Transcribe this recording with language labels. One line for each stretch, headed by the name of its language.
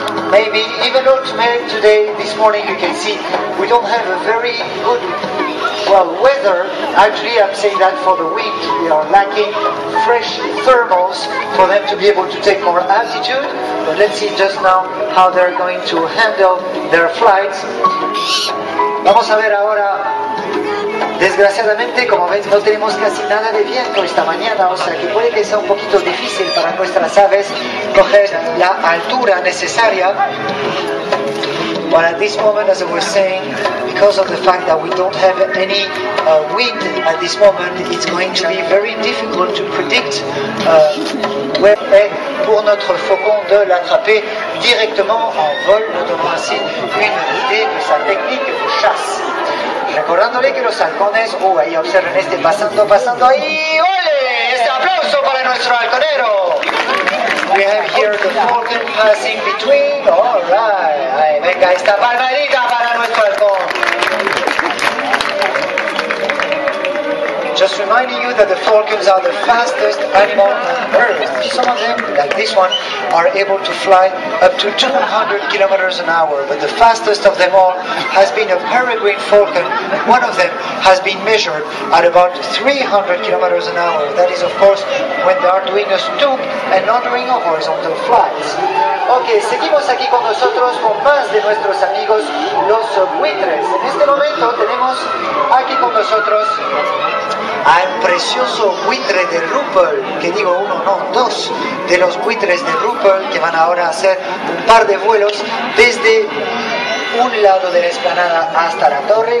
English: Maybe even though tomorrow, today, this morning, you can see we don't have a very good weather. Actually, I'm saying that for the wind, we are lacking fresh thermals for them to be able to take more altitude. But let's see just now how they're going to handle their flights.
Spanish: Vamos a ver ahora. Desgraciadamente, como ven, no tenemos casi nada de viento esta mañana, o sea que puede que sea un poquito difícil para nuestras aves coger la altura necesaria.
English: But at this moment, as I was saying, because of the fact that we don't have any wind at this moment, it's going to be very difficult to predict where
French: est pour notre faucon de l'attraper directement en vol. Nous devons ainsi une idée de sa technique de chasse.
Spanish: Recordándole que los halcones, ahí observen este pasando ahí, ¡ole! Este aplauso para nuestro halconero.
English: We have here the falcon passing between, alright,
Spanish: ahí venga esta palmadita para nuestro halcón.
English: Just reminding you that the falcons are the fastest animal on earth. Some of them, like this one, are able to fly up to 200 kilometers an hour. But the fastest of them all has been a peregrine falcon. One of them has been measured at about 300 kilometers an hour. That is, of course, when they are doing a stoop and not doing a horizontal flight.
Spanish: Okay, seguimos aquí con nosotros con más de nuestros amigos, los buitres. En este momento tenemos aquí con nosotros al precioso buitre de Rupel, que digo uno, no, dos de los buitres de Rupel, que van ahora a hacer un par de vuelos desde un lado de la esplanada hasta la torre.